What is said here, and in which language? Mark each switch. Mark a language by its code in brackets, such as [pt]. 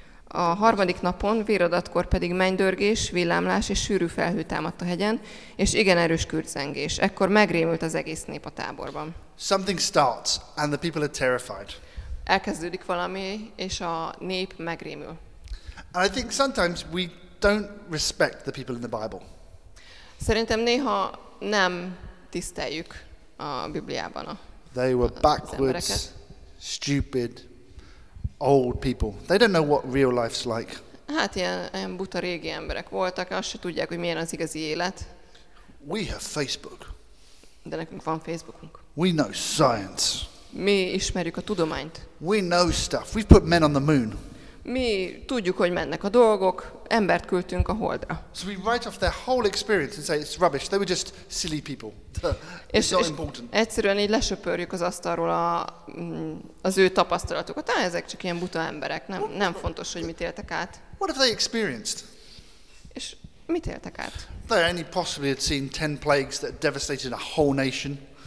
[hu] A harmadik napon, víradatkor pedig mennydörgés, villámlás és sűrű felhő támadt a hegyen, és igen erős kürtzengés. Ekkor megrémült az egész nép a táborban. [en] Something starts, and the people are terrified. [hu] Elkezdődik valami, és a nép megrémül. [en] And I think sometimes we don't respect the people in the Bible. [hu] Szerintem néha nem tiszteljük a Bibliában a [en] They were backwards, stupid. Old people. They don't know what real life's like. [hu] Hát ilyen buta régi emberek voltak, azt se tudják, hogy milyen az igazi élet. [en] We have Facebook. [hu] De nekünk van Facebookunk. [en] We know science. [hu] Mi ismerjük a tudományt. [en] We know stuff. We've put men on the moon. [hu] Mi tudjuk, hogy mennek a dolgok, embert küldtünk a Holdra. [en] So we write off their whole experience and say it's rubbish. They were just silly people. It's not important. [hu] Egyszerűen így lesöpörjük az asztalról az ő tapasztalatukat. Tehát ezek csak ilyen buta emberek. Nem fontos, hogy mit éltek át. [en] What have they experienced? [hu] És mit éltek át? [en] They only possibly had seen 10 plagues that devastated a whole nation.